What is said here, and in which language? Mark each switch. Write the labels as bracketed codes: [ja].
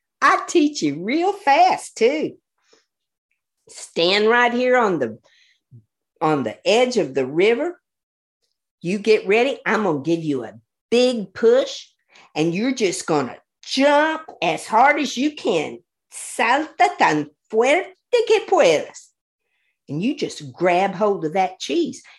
[en] I teach you real fast, too. Stand right here on the edge of the river. You get ready. I'm going to give you a big push, and you're just going to jump as hard as you can. [es] Salta tan fuerte que puedas. [en] And you just grab hold of that cheese.